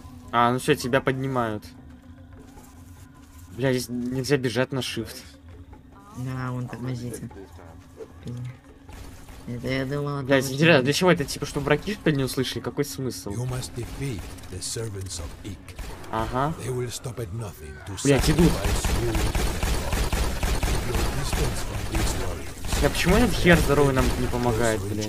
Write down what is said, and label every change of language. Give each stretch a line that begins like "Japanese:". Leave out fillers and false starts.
Russian: А, ну все, тебя поднимают. Блядь, нельзя бежать на shift. Да, вон тормозите. Это я думал... Блядь, интересно, для чего это? Типа, чтобы враги что-то не услышали? Какой смысл?
English: You must defeat the servants of Ik.
Russian: Ага.
English: They will stop at nothing to sacrifice you into their lord. Keep your distance from these warriors.
Russian: Да почему этот хер здоровый нам не помогает, блядь?